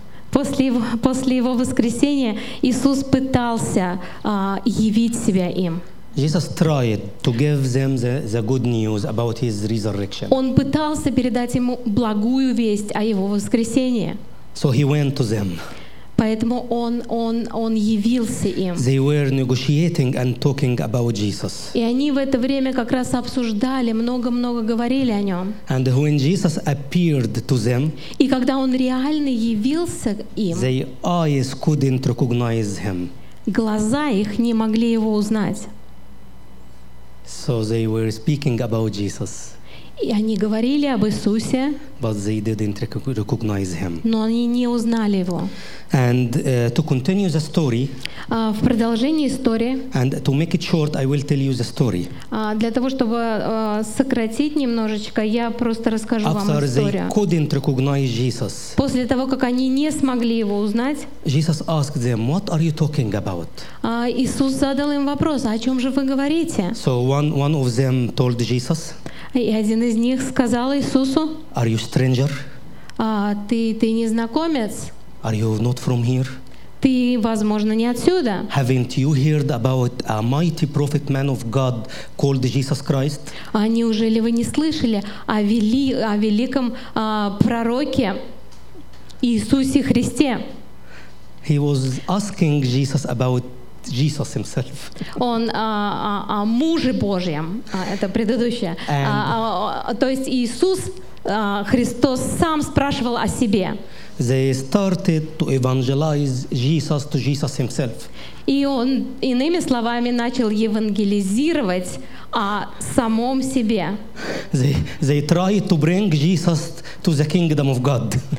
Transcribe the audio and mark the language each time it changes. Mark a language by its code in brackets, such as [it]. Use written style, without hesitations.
[ru] После его воскресения Иисус пытался явить себя им. [en] Jesus tried to give them the good news about his resurrection. [ru] Он пытался передать ему благую весть о его воскресении. [en] So he went to them. [ru] Поэтому он явился им. [en] They were negotiating and talking about Jesus. [ru] И они в это время как раз обсуждали, много говорили о нем. [en] And when Jesus appeared to them, [ru] и когда он реально явился им, [en] their eyes couldn't recognize him. [ru] Глаза их не могли его узнать. [en] So they were speaking about Jesus. [ru] И они говорили об Иисусе, [en] but they didn't recognize him. [ru] Но они не узнали его. [en] And to continue the story, [ru] в продолжении истории, [en] and to make it short, I will tell you the story. [ru] Для того, чтобы сократить немножечко, я просто расскажу [en] After [ru] вам историю. [en] They couldn't recognize Jesus, [ru] после того, как они не смогли его узнать, [en] Jesus asked them, "What are you talking about?" [ru] Иисус задал им вопрос: "О чем же вы говорите?" [en] So one of them told Jesus. [ru] И один из них сказал Иисусу: [en] Are you stranger? [ru] ты незнакомец? [en] Are you not from here? [ru] Ты, возможно, не отсюда. [en] Haven't you heard about a mighty prophet man of God called Jesus Christ? [ru] А неужели вы не слышали о великом пророке Иисусе Христе? [en] He was asking Jesus about Jesus himself. [ru] Он о муже Божьем, это предыдущее. То есть Иисус Христос сам спрашивал о себе. [en] They started to evangelize Jesus to Jesus himself. [ru] И он, иными словами, начал евангелизировать о самом себе. [en] They tried to bring Jesus to the kingdom of God.